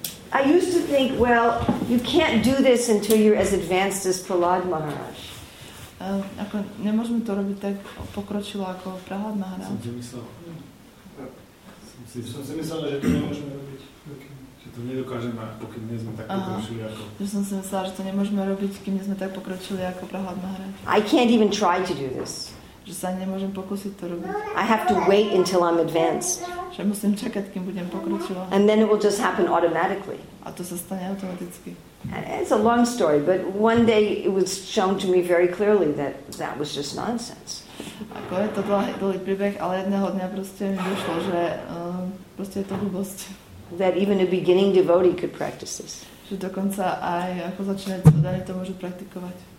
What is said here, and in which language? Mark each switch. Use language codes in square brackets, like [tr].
[en] I used to think, well, you can't do this until you're as advanced as Prahlad Maharaj. [sk] Ako nemôžeme to robiť tak pokročilo ako Prahlad Maharaj. Som si myslel. Som si myslel, že to nemôžeme robiť. Že to nedokážeme, pokým nie sme tak pokročili ako... Že som si myslela, že to nemôžeme robiť, kým nie sme tak pokročili ako Prahlad Maharaj. [en] I can't even try to do this. [sk] že sa nemôžem pokúsiť to robiť. [en] I have to wait until I'm advanced. [sk] Že musím čakať, kým budem pokročilá. [en] And then it will just happen automatically. [sk] A to sa stane automaticky. [en] It's a long story, but one day it was shown to me very clearly that that was just nonsense. [sk] Ako je to dlhý príbeh, ale jedného dňa proste mi došlo, že proste je to hlúbosť. [en] That even a beginning devotee could practice this. [sk] Že dokonca aj ako začínajúci devotee to môže praktikovať.